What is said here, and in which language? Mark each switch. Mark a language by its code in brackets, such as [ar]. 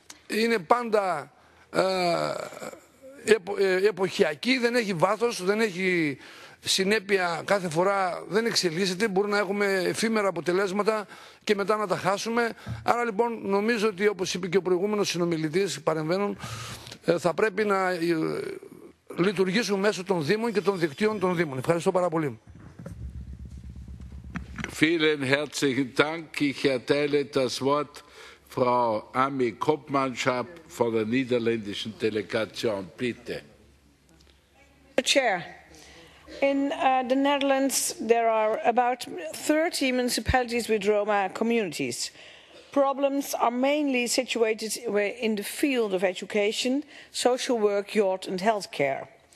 [el] Είναι πάντα εποχιακή, δεν έχει βάθος, δεν έχει συνέπεια, κάθε φορά δεν εξελίσσεται, μπορεί να έχουμε εφήμερα αποτελέσματα και μετά να τα χάσουμε. Άρα λοιπόν νομίζω ότι, όπως είπε και ο προηγούμενος συνομιλητής παρεμβαίνων, θα πρέπει να λειτουργήσουν μέσω των Δήμων και των δικτύων των Δήμων. Ευχαριστώ πάρα πολύ. [de] Vielen herzlichen Dank. Ich erteile das Wort Frau Ami Kopmanschap von der niederländischen Delegation. Bitte. [en] Mr. Chair, in the Netherlands there are about 30 municipalities with Roma communities. Problems are mainly situated in the field of education, social work, youth and healthcare.